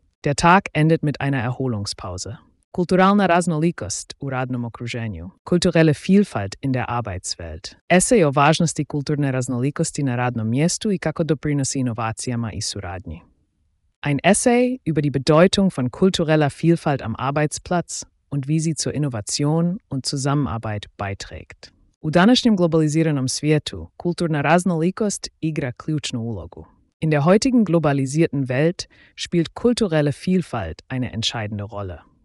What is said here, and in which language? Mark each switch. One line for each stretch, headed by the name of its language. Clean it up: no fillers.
German: Der Tag endet mit einer Erholungspause.
Croatian: Kulturalna raznolikost u radnom okruženju.
German: Kulturelle Vielfalt in der Arbeitswelt.
Croatian: Esej o važnosti kulturne raznolikosti na radnom mjestu i kako doprinosi inovacijama i suradnji.
German: Ein Essay über die Bedeutung von kultureller Vielfalt am Arbeitsplatz und wie sie zur Innovation und Zusammenarbeit beiträgt.
Croatian: U današnjem globalisiranom svijetu kulturna raznolikost igra ključnu ulogu.
German: In der heutigen globalisierten Welt spielt kulturelle Vielfalt eine entscheidende Rolle.